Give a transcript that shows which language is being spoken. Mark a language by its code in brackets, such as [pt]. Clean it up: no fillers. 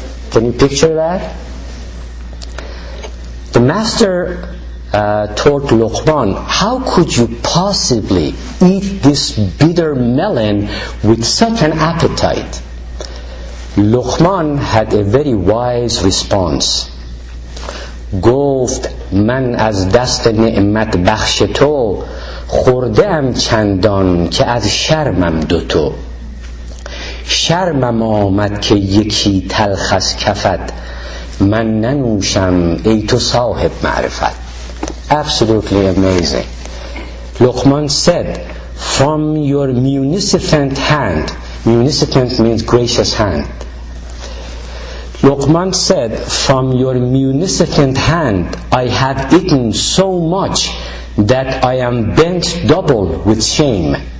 [en] Can you picture that? The master told Luqman, "How could you possibly eat this bitter melon with such an appetite?" Luqman had a very wise response. [fa] گفت من از دست نعمت بخش تو خوردم چندان که از شرمم دوتو شرمم آمد که یکی تلخ از کفت من ننوشم ای تو صاحب معرفت. [en] Absolutely amazing. Luqman said, "From your munificent hand," munificent means gracious hand. Luqman said, "From your munificent hand, I have eaten so much that I am bent double with shame.